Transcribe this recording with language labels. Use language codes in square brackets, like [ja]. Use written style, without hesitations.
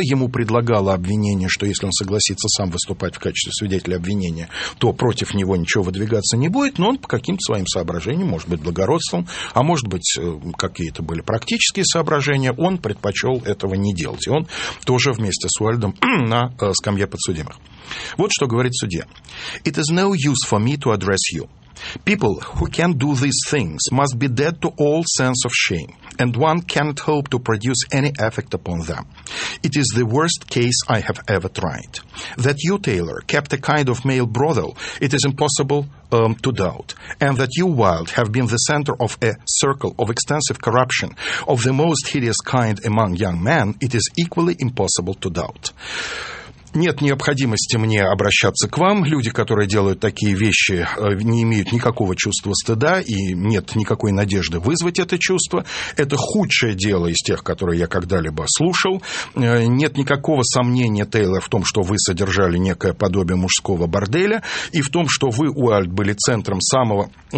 [ru] Ему предлагало обвинение, что если он согласится сам выступать в качестве свидетеля обвинения, то против него ничего выдвигаться не будет. Но он по каким-то своим соображениям, может быть, благородством, а может быть, какие-то были практические соображения, он предпочел этого не делать. И он тоже вместе с Уальдом на скамье подсудимых. Вот что говорит судья. [en] «It is no use for me to address you. People who can do these things must be dead to all sense of shame, and one cannot hope to produce any effect upon them. It is the worst case I have ever tried. That you, Taylor, kept a kind of male brothel, it is impossible to doubt, and that you, Wilde, have been the center of a circle of extensive corruption of the most hideous kind among young men, it is equally impossible to doubt». [ru] Нет необходимости мне обращаться к вам. Люди, которые делают такие вещи, не имеют никакого чувства стыда и нет никакой надежды вызвать это чувство. Это худшее дело из тех, которые я когда-либо слушал. Нет никакого сомнения, Тейлор, в том, что вы содержали некое подобие мужского борделя и в том, что вы, Уальд, были центром самого...